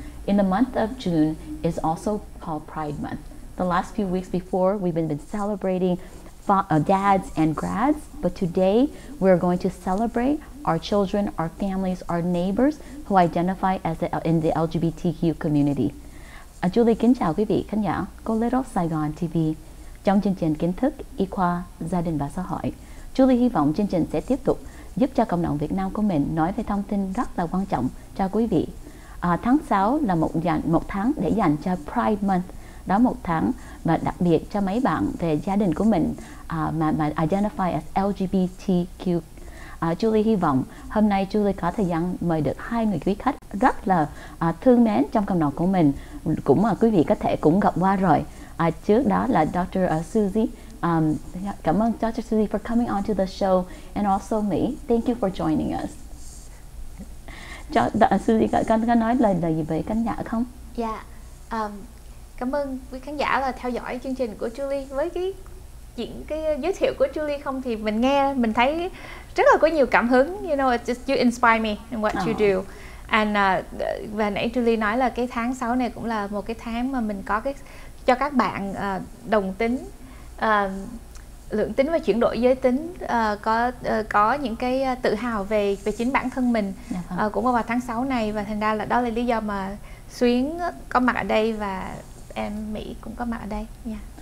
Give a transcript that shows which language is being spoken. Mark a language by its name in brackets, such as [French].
[English] In the month of June is also called Pride Month. The last few weeks before, we've been celebrating dads and grads, but today we're going to celebrate our children, our families, our neighbors who identify as in the LGBTQ community. [Vietnamese] Julie, kính chào quý vị khán giả của Little Saigon TV trong chương trình kiến thức y khoa gia đình và xã hội. Julie hy vọng chương trình sẽ tiếp tục giúp cho cộng đồng Việt Nam của mình nói về thông tin rất là quan trọng cho quý vị. Tháng 6 là một tháng để dành cho Pride Month. Đó một tháng mà đặc biệt cho mấy bạn về gia đình của mình mà [English] identify as LGBTQ. [Vietnamese] Julie hy vọng hôm nay Julie có thời gian mời được hai người quý khách rất là thương mến trong cộng đồng của mình, cũng mà quý vị có thể cũng gặp qua rồi. Trước đó là Dr. Susie. Cảm ơn Dr. [English] Susie for coming on to the show, and also me. Thank you for joining us. [Vietnamese] Susie có nói lời gì về khán giả không? Cảm ơn quý khán giả là theo dõi chương trình của Julie. Với cái giới thiệu của Julie không thì mình nghe mình thấy rất là có nhiều cảm hứng. [English] You know, it's just you inspire me in what you do. [Vietnamese] And và nãy Julie nói là cái tháng 6 này cũng là một cái tháng mà mình có cái cho các bạn đồng tính, lượng tính và chuyển đổi giới tính có những cái tự hào về chính bản thân mình cũng vào tháng 6 này, và thành ra là đó là lý do mà Xuyến có mặt ở đây và em Mỹ cũng có mặt ở đây nha.